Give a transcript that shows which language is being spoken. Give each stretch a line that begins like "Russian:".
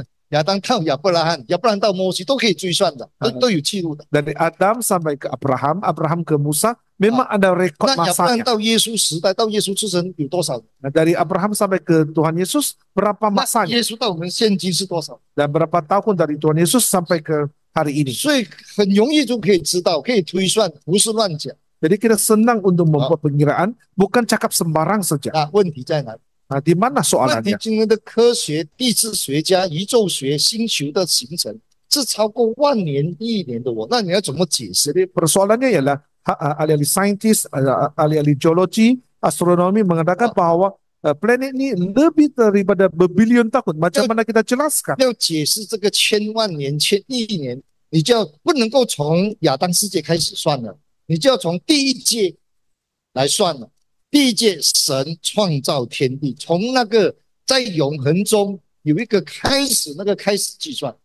Chinese: 亚当到亚伯拉罕，亚伯拉罕到摩西都可以追算的，都有记录的。
Malay: Dari Adam sampai ke Abraham, Abraham ke Musa, memang ada rekod masanya. Nah, dari Yesus
Chinese: 时代到耶稣出生有多少？
Malay: Nah, dari Abraham sampai ke Tuhan Yesus, berapa masanya?
Chinese: Yesus 到我们现今是多少？
Malay: Dan berapa tahun dari Tuhan Yesus sampai ke hari ini?
Chinese: 所以很容易就可以知道，可以推算，不是乱讲。
Malay: Jadi kita senang untuk membuat pengiraan, bukan cakap sembarang saja.
Chinese: Nah, 问题在哪？
Malay: Nah, di mana soalannya?
Chinese: 问题今天的科学、地质学家、宇宙学、星球的形成。是超过万年亿年的我，那你要怎么解释呢？
Malay: Persoalannya ialah ahli-ahli saintis, ahli-ahli geologi, astronomi mengatakan bahwa planet ini lebih daripada berbilion tahun. Macam mana kita jelaskan?
Chinese: 要解释这个千万年、千亿年，你就不能够从亚当世界开始算了，你就要从第一界来算了。第一界神创造天地，从那个在永恒中有一个开始，那个开始计算。